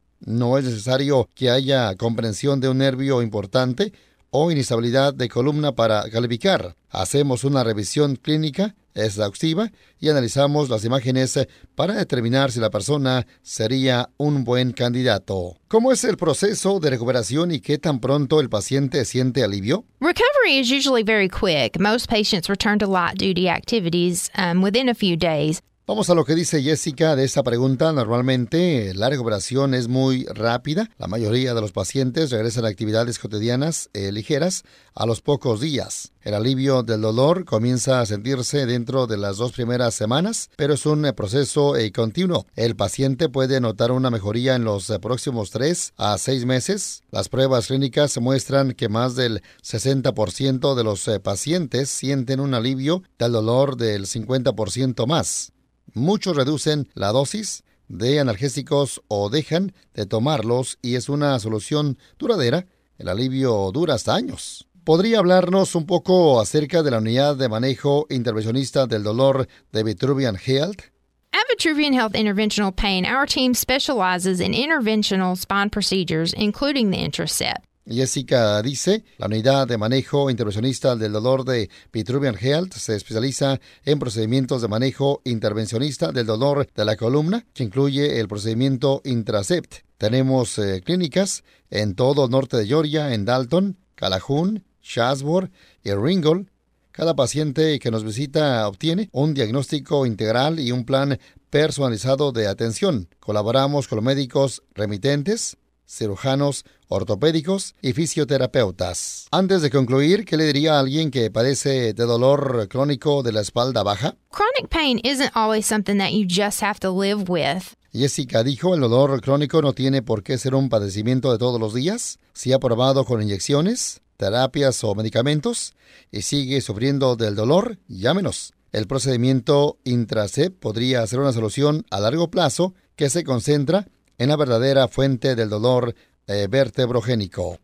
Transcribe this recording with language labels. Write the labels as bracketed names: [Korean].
[Spanish] No es necesario que haya compresión de un nervio importante o inestabilidad de columna para calificar. Hacemos una revisión clínica exhaustiva y analizamos las imágenes para determinar si la persona sería un buen candidato. ¿Cómo es el proceso de recuperación y qué tan pronto el paciente siente alivio? [English] Recovery is usually very quick. Most patients return to light duty activities within a few days. [Spanish] Vamos a lo que dice Jessica de esta pregunta. Normalmente la recuperación es muy rápida. La mayoría de los pacientes regresan a actividades cotidianas ligeras a los pocos días. El alivio del dolor comienza a sentirse dentro de las dos primeras semanas, pero es un proceso continuo. El paciente puede notar una mejoría en los próximos 3 a 6 meses. Las pruebas clínicas muestran que más del 60% de los pacientes sienten un alivio del dolor del 50% más. Muchos reducen la dosis de analgésicos o dejan de tomarlos y es una solución duradera. El alivio dura hasta años. ¿Podría hablarnos un poco acerca de la unidad de manejo intervencionista del dolor de Vitruvian Health? [English] At Vitruvian Health Interventional Pain, our team specializes in interventional spine procedures, including the Intracept. [Spanish] Jessica dice, la unidad de manejo intervencionista del dolor de Vitruvian Health se especializa en procedimientos de manejo intervencionista del dolor de la columna, que incluye el procedimiento Intracept. Tenemos clínicas en todo el norte de Georgia, en Dalton, Calhoun, Shasbor y Ringgold. Cada paciente que nos visita obtiene un diagnóstico integral y un plan personalizado de atención. Colaboramos con los médicos remitentes, cirujanos, ortopédicos y fisioterapeutas. Antes de concluir, ¿qué le diría a alguien que padece de dolor crónico de la espalda baja? [English] Chronic pain isn't always something that you just have to live with. [Spanish] Jessica dijo, el dolor crónico no tiene por qué ser un padecimiento de todos los días. Si ha probado con inyecciones, terapias o medicamentos y sigue sufriendo del dolor, llámenos. El procedimiento Intracept podría ser una solución a largo plazo que se concentra en la verdadera fuente del dolor vertebrogénico.